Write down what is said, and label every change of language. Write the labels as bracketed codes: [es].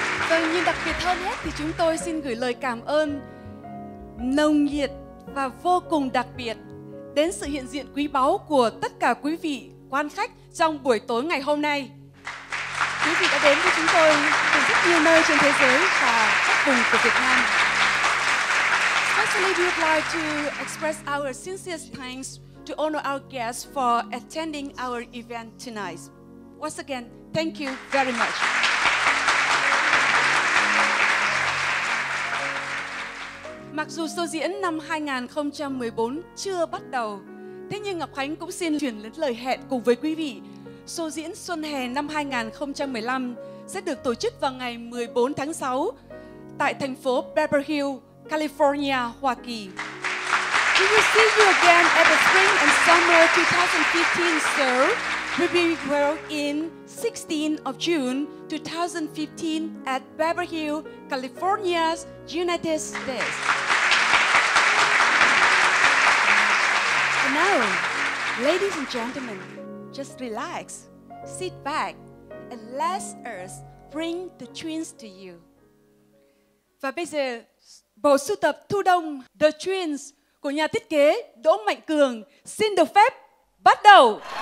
[vi] Và nhưng đặc biệt hơn hết thì chúng tôi xin gửi lời cảm ơn nồng nhiệt và vô cùng đặc biệt đến sự hiện diện quý báu của tất cả quý vị quan khách trong buổi tối ngày hôm nay. Quý vị đã đến với chúng tôi từ rất nhiều nơi trên thế giới và các vùng của Việt Nam. [en] Especially we would like to express our sincerest thanks to honor our guests for attending our event tonight. Once again, thank you very much. [vi] Mặc dù show diễn năm 2014 chưa bắt đầu, thế nhưng Ngọc Khánh cũng xin truyền đến lời hẹn cùng với quý vị. Show diễn xuân hè năm 2015 sẽ được tổ chức vào ngày 14 tháng 6 tại thành phố Beverly Hills, California, Hoa Kỳ. [en] We will see you again at the spring and summer 2015 show. We'll be held in 16th of June 2015 at Beverly Hills, California's United States. And now, ladies and gentlemen, just relax, sit back, and let us bring the twins to you. [vi] Và bây giờ, bộ sưu tập Thu Đông, The Twins của nhà thiết kế Đỗ Mạnh Cường xin được phép bắt đầu.